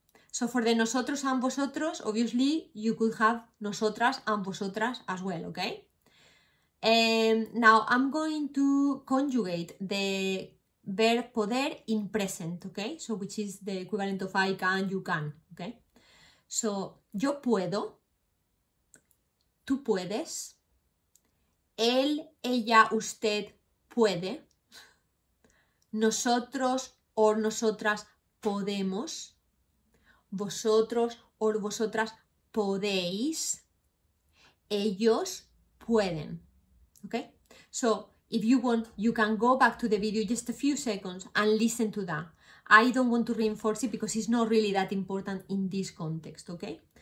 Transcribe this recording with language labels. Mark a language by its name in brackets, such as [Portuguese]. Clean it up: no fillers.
[English] So for the nosotros and vosotros, obviously you could have nosotras and vosotras as well, ¿ok? Now I'm going to conjugate the verb poder in present, ¿ok? So which is the equivalent of I can, you can, ¿ok? [Spanish] So yo puedo, tú puedes, él, ella, usted puede, nosotros o nosotras podemos, vosotros o vosotras podéis, ellos pueden. [English] Okay? So, if you want, you can go back to the video just a few seconds and listen to that. I don't want to reinforce it because it's not really that important in this context, okay?